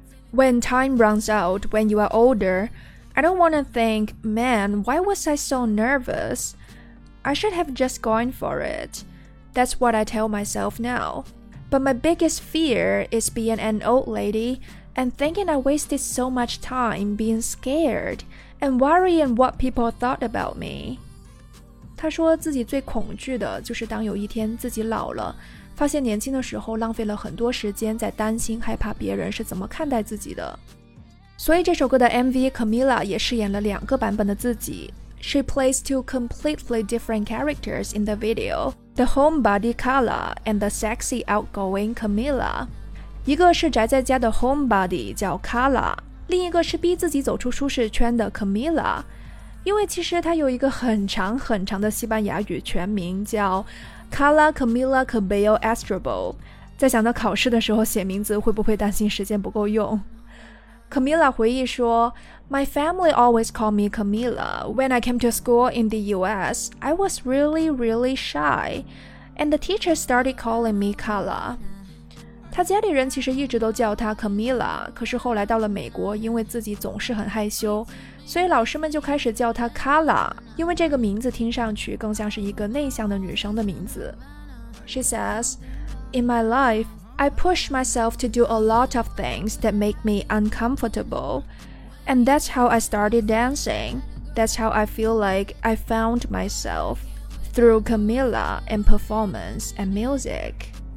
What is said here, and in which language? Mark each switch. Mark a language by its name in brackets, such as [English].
[English] When time runs out, when you are older, I don't want to think, man, why was I so nervous? I should have just gone for it. That's what I tell myself now. But my biggest fear is being an old lady and thinking I wasted so much time being scared and worrying what people thought about me. [Chinese] 他说自己最恐惧的就是当有一天自己老了，发现年轻的时候浪费了很多时间在担心害怕别人是怎么看待自己的。所以这首歌的 MV Camila 也饰演了两个版本的自己。 [English] She plays two completely different characters in the video, the homebody Carla and the sexy outgoing Camila. [Chinese] 一个是宅在家的 homebody 叫 Carla， 另一个是逼自己走出舒适圈的 Camila。因为其实他有一个很长很长的西班牙语全名叫 Carla Camila Cabello Estrabal， 在想到考试的时候写名字会不会担心时间不够用。 [English] Camila [Chinese] 回忆说， [English] My family always called me Camila. When I came to school in the US, I was really really shy, and the teacher started calling me Carla. [Chinese] 他家里人其实一直都叫他 Camila， 可是后来到了美国，因为自己总是很害羞，所以老师们就开始叫她 Carla， 因为这个名字听上去更像是一个内向的女生的名字。 [English] She says In my life I push myself to do a lot of things that make me uncomfortable, and that's how I started dancing. That's how I feel like I found myself through Camila and performance and music.